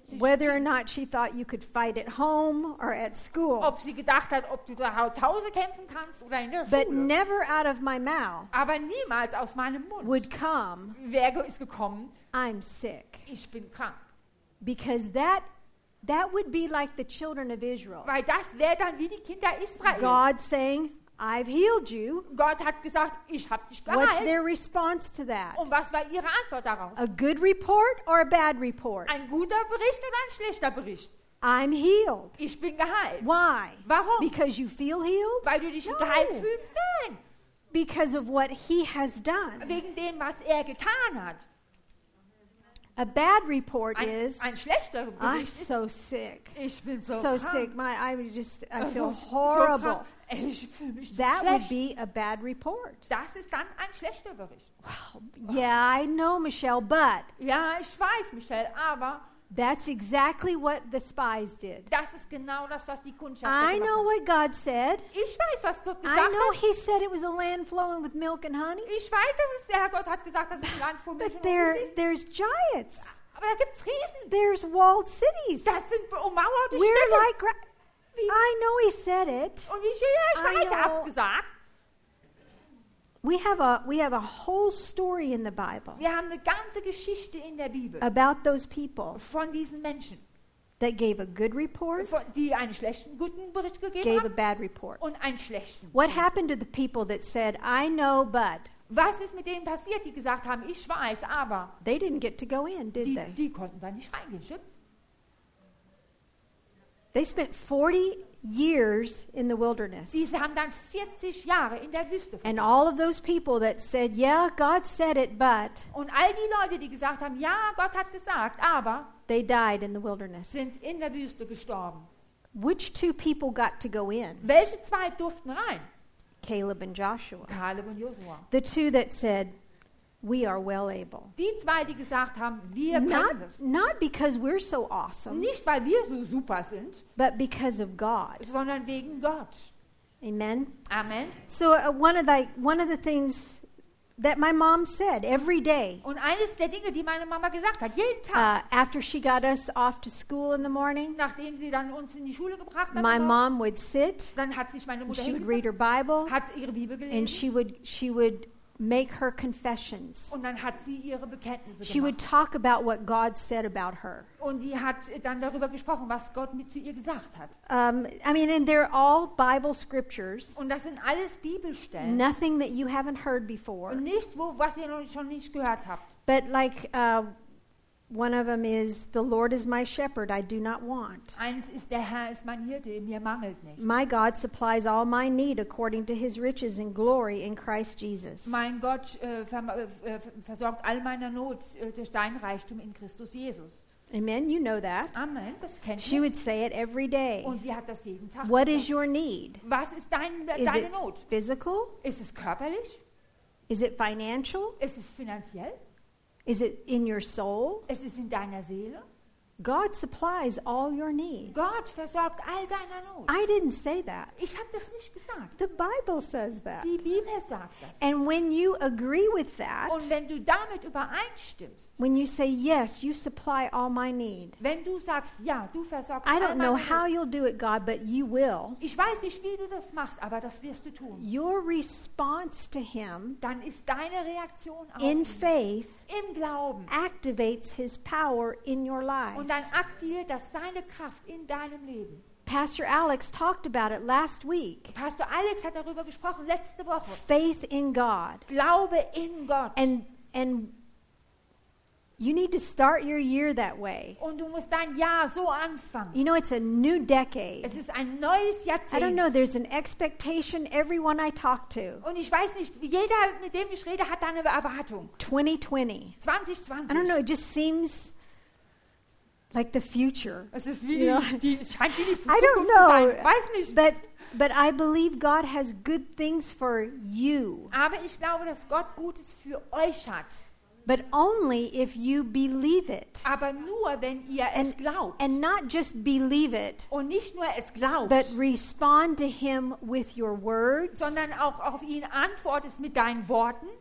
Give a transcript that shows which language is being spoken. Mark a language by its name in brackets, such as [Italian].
[English] whether or not she thought you could fight at home or at school. [German] Ob sie gedacht hat, ob du zu Hause kämpfen kannst oder in der Schule. [English] But never out of my mouth [German] aber niemals aus meinem Mund [English] would come, [German] wer ist gekommen, [English] I'm sick. [German] Ich bin krank. [English] Because that would be like the children of Israel. [German] Weil das wäre dann wie die Kinder Israel. [English] God saying, I've healed you. [German] Gott hat gesagt, ich hab dich geheilt. [English] What's their response to that? [German] Und was war ihre Antwort darauf? [English] A good report or a bad report? [German] Ein guter Bericht oder ein schlechter Bericht? [English] I'm healed. [German] Ich bin geheilt. [English] Why? [German] Warum? [English] Because you feel healed? [German] Weil du dich [English] no. [German] geheilt fühlst? Nein. [English] Because of what he has done. [German] Wegen dem, was er getan hat. [English] A bad report is [German] ein schlechter Bericht [English] I'm so sick. [German] Ich bin so, [English] so sick. I feel horrible. [German] Ich fühle mich [English] that [German] schlecht. [English] Would be a bad report. [German] Das ist dann ein schlechter Bericht. [English] Well, yeah, I know, Michelle, but [German] ja, ich weiß, Michelle, aber [English] that's exactly what the spies did. [German] Das ist genau das, was die Kundschaft gemacht hat. [English] I know what God said. [German] Ich weiß, was Gott gesagt hat. [English] I know [German] hat. [English] He said it was a land flowing with milk and honey. [German] Ich weiß, dass es der Herr Gott hat gesagt, dass es ein Land voll Milch und Honig ist. [English] But there's giants. [German] Aber da gibt's Riesen. [English] There's walled cities. [German] Das sind ummauerte [English] We're [German] Städte. [English] We're like I know he said it. [German] Und ich, ja, ich weiß, er hat's gesagt. [English] We have a whole story in the Bible. [German] Wir haben eine ganze Geschichte in der Bibel. [English] About those people. [German] Von diesen Menschen. [English] That gave a good report. [German] Die einen schlechten guten Bericht gegeben [English] gave [German] haben. [English] A bad report. [German] Und einen schlechten. [English] What happened to the people that said, "I know, but"? [German] Was ist mit denen passiert, die gesagt haben, ich weiß, aber? [English] They didn't get to go in, did [German] die, [English] they? [German] Die konnten da nicht reingehen, stimmt's? [English] They spent 40 years in the wilderness. [German] Diese haben dann 40 Jahre in der Wüste verbracht. [English] And all of those people that said, "Yeah, God said it, but" [German] und all die Leute, die gesagt haben, ja, Gott hat gesagt, aber [English] they died in the wilderness. [German] Sind in der Wüste gestorben. [English] Which two people got to go in? [German] Welche zwei durften rein? [English] Caleb and Joshua. [German] Caleb und Joshua. [English] The two that said, "We are well able." [German] Die zwei, die gesagt haben, wir können [English] not, [German] das. [English] Not because we're so awesome. [German] Nicht weil wir so super sind. [English] But because of God. [German] Sondern wegen Gott. [English] Amen. [German] Amen. [English] So one of the things that my mom said every day. [German] Und eines der Dinge, die meine Mama gesagt hat, jeden Tag. [English] After she got us off to school in the morning. [German] Nachdem sie dann uns in die Schule gebracht hat. [English] My mom would sit. [German] Dann hat sich meine Mutter. [English] She would read her Bible. [German] Hat ihre Bibel gelesen. [English] And she would make her confessions. [German] Und dann hat sie ihre Bekenntnisse [English] she [German] gemacht. [English] Would talk about what God said about her. [German] Und die hat dann darüber gesprochen, was Gott mit zu ihr gesagt hat. [English] I mean, and they're all Bible scriptures. [German] Und das sind alles Bibelstellen. [English] Nothing that you haven't heard before. [German] Und nichts, was ihr noch schon nicht gehört habt. [English] But like one of them is, "The Lord is my shepherd, I do not want." [German] Eins ist, der Herr ist mein Hirte, mir mangelt nicht. [English] "My God supplies all my need according to his riches and glory in Christ Jesus." [German] Mein Gott versorgt all meiner Not durch sein Reichtum in Christus Jesus. [English] Amen, you know that. [German] Amen, das kennt [English] she [German] mich. [English] Would say it every day. [German] Und sie hat das jeden Tag [English] what [German] gesagt. [English] Is your need? [German] Was ist deine Not? [English] Is it physical? [German] Ist es körperlich? [English] Is it financial? [German] Ist es finanziell? [English] Is it in your soul? [German] Es ist in deiner Seele. [English] God supplies all your need. [German] Gott versorgt all deine Not. [English] I didn't say that. [German] Ich habe das nicht gesagt. [English] The Bible says that. [German] Die Bibel sagt das. [English] And when you agree with that, [German] und wenn du damit übereinstimmst, [English] when you say, "Yes, you supply all my need," [German] wenn du sagst, ja, du versorgst all meine Not, [English] I don't know how you'll do it, God, but you will. [German] Ich weiß nicht, wie du das machst, aber das wirst du tun. [English] Your response to him, [German] dann ist deine Reaktion auf [English] in faith, [German] im Glauben, [English] activates his power in your life. [German] Und dann aktiviert das seine Kraft in deinem Leben. [English] Pastor Alex talked about it last week. [German] Pastor Alex hat darüber gesprochen letzte Woche. [English] Faith in God. [German] Glaube in Gott. [English] And you need to start your year that way. [German] Und du musst dein Jahr so anfangen. [English] You know, it's a new decade. [German] Es ist ein neues Jahrzehnt. [English] I don't know, there's an expectation everyone I talk to. [German] Und ich weiß nicht, jeder, mit dem ich rede, hat eine Erwartung. [English] 2020. [German] 2020. [English] I don't know, it just seems like the future. [German] Es ist wie die, die, scheint wie die Zukunft [English] I don't know. [German] Zu sein. Weiß nicht. [English] But I believe God has good things for you. [German] Aber ich glaube, dass Gott Gutes für euch hat. [English] But only if you believe it. [German] Aber nur wenn ihr es glaubt. [English] And not just believe it. [German] Und nicht nur es glaubt. [English] But respond to him with your words. [German] Sondern auch auf ihn antwortest mit deinen Worten.